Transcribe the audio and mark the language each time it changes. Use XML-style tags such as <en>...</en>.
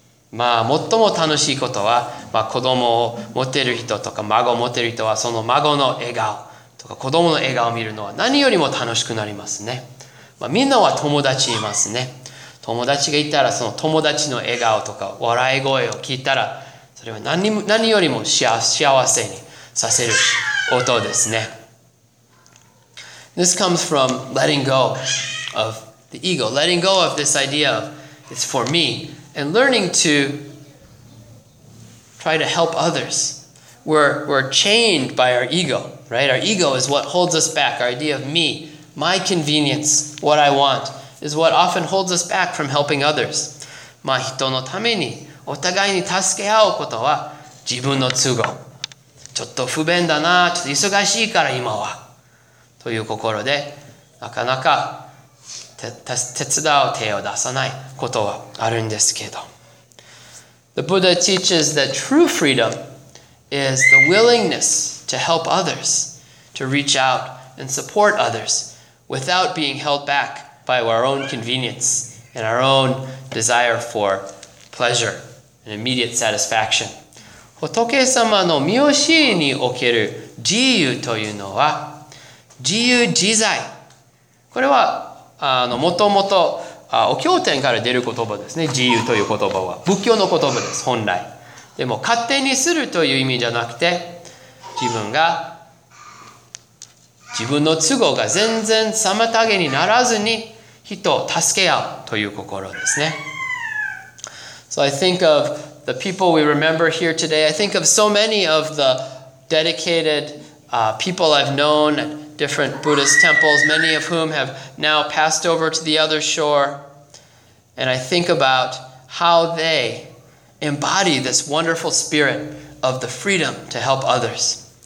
<ja>まあ、最も楽しいことは、まあ、子供を持てる人とか孫を持てる人は、その孫の笑顔とか子供の笑顔を見るのは何よりも楽しくなりますね。まあ、みんなは友達いますね。友達がいたら、その友達の笑顔とか笑い声を聞いたら、それは何よりも幸せにさせる音ですね。</ja> <en>This comes from letting go of the ego, letting go of this idea of it's for me, and learning to try to help others. We're chained by our ego, Right? Our ego is what holds us back. Our idea of me, my convenience, what I want, is what often holds us back from helping others.</en> <ja>まあ人のためにお互いに助け合うことは自分の都合。ちょっと不便だな、ちょっと忙しいから今は。という心で、なかなか手伝う手を出さないことはあるんですけど。</ja> <en>The Buddha teaches that true freedom is the willingness to help others, to reach out and support others without being held back by our own convenience and our own desire for pleasure and immediate satisfaction.</en> <ja>仏様の御教えにおける自由というのは自由自在。これはもともとお経典から出る言葉ですね。自由という言葉は仏教の言葉です本来。でも勝手にするという意味じゃなくて、自分が自分の都合が全然妨げにならずに人を助け合うという心ですね。</ja> <en>So I think of the people we remember here today. I think of so many of the dedicated people I've known at different Buddhist temples, many of whom have now passed over to the other shore. And I think about how they embody this wonderful spirit of the freedom to help others.</en>